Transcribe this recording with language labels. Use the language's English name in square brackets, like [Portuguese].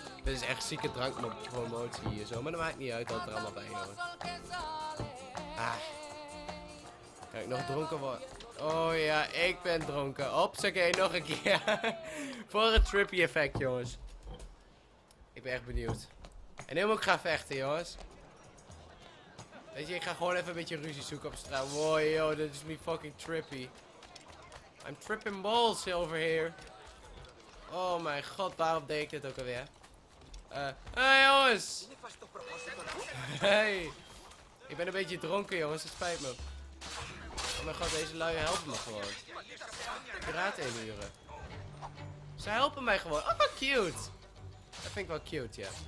[Dutch] Dit is echt zieke drank met promotie hier zo. Maar dat maakt niet uit dat het er allemaal bij hoort. Ah. Kan ik nog dronken worden? Oh ja, ik ben dronken. Hopsakee, nog een keer. Voor het trippy effect, jongens. Ik ben echt benieuwd. En nu moet ik gaan vechten, jongens. Weet je, ik ga gewoon even een beetje ruzie zoeken op straat. [English] Wow, yo, [Dutch] dit is me [English] fucking trippy. I'm tripping balls over here. [Dutch] Oh mijn god, waarom deed ik dit ook alweer? Hey jongens! Hey! Ik ben een beetje dronken jongens, het spijt me. Oh mijn god, deze lui helpen me gewoon. Piraten inhuren. Ze helpen mij gewoon. Oh, wat cute! Dat vind ik wel cute, ja.